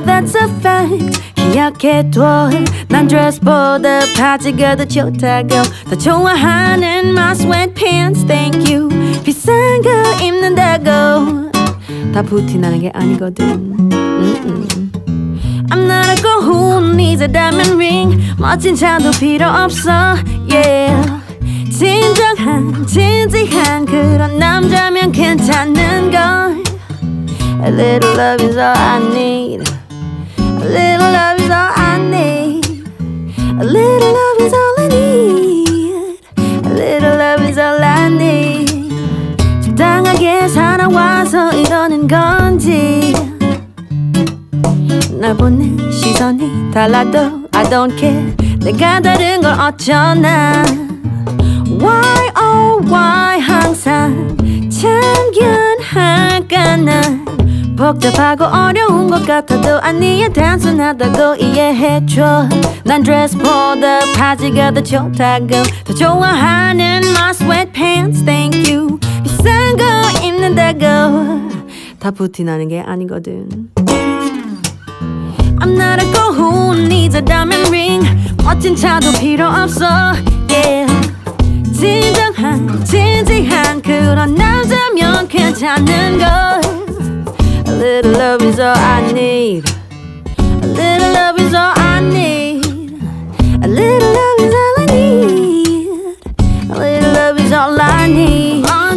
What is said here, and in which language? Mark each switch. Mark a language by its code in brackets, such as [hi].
[en] That's a fact. [ko] 기억해둬. 난 드레스보다 바지가 더 좋다고 더 좋아하는 [en] my sweatpants. Thank you. [ko] 비싼 거 입는다고 다 부티나는 게 아니거든. [en] I'm not a girl who needs a diamond ring. [ko] 멋진 차도 필요 없어. Yeah. 진정한 진지한 그런 남자면 괜찮은 걸. [en] A little love is all I need. A little love is all I need. A little love is all I need. A little love is all I need. [ko] 적당하게 살아와서 이러는 건지 날 보는 시선이 달라도 [en] I don't care. [ko] 내가 다른 걸 어쩌나. [en] Why oh why [ko] 항상 참견할까. 난 복잡하고 어려운 것 같아도 아니야 단순하다고 이해해줘. 난 드레스보다 바지가 더 좋다고 더 좋아하는 [en] my sweatpants. Thank you. [ko] 비싼 거 입는다고 다 부티나는 게 아니거든. [en] I'm not a girl who needs a diamond ring. [ko] 멋진 차도 필요 없어. Yeah. 진정한 진지한 그런 남자면 괜찮은 걸. [en] A little love is all I need. A little love is all I need. A little love is all I need. A little love is all I need.